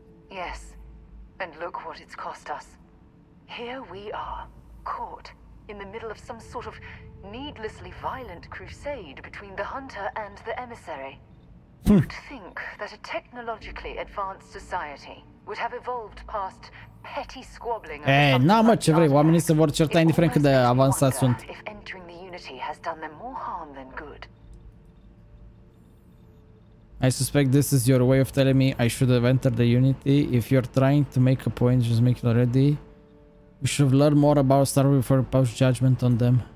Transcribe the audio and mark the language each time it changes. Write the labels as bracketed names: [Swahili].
[English] Yes, and look what it's cost us. Here we are, caught in the middle of some sort of needlessly violent crusade between the hunter and the emissary. You'd think that a technologically advanced society would have evolved past petty squabbling. [Romanian] Oamenii se vor certa indiferent cât de avansați sunt. [English] If entering the unity has done them more harm than good. I suspect this is your way of telling me I should have entered the unity. If you're trying to make a point, just make it already. We should have learned more about Star Wars before we pass judgment on them.